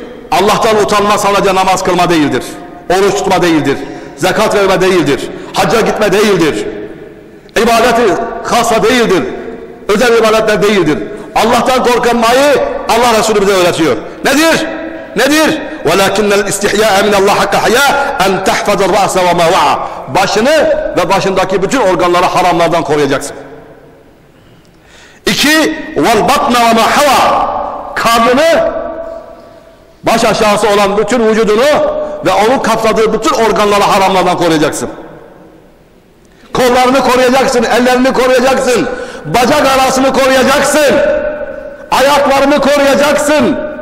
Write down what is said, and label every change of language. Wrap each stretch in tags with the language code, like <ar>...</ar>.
<tr>Allah'tan utanma sadece namaz kılma değildir, oruç tutma değildir, zekat verme değildir, hacca gitme değildir, ibadeti hasa değildir, özel ibadetler değildir. Allah'tan korkanmayı Allah Resulü bize öğretiyor. Nedir? Nedir?</tr> <ar>وَلَكِنَّ الْاِسْتِحْيَاءَ مِنَ اللّٰهَ حَقَّ حَيَاءَ اَنْ تَحْفَذَ الرَّأْسَ وَمَا وَعَى</ar> <tr>başını ve başındaki bütün organları haramlardan koruyacaksın. İki,</tr> <ar>وَالْبَطْنَ وَمَا حَوَى</ar> <tr>karnını, baş aşağısı olan bütün vücudunu ve onu kapladığı bütün organları haramlardan koruyacaksın. Kollarını koruyacaksın, ellerini koruyacaksın, bacak arasını koruyacaksın, ayaklarını koruyacaksın.</tr>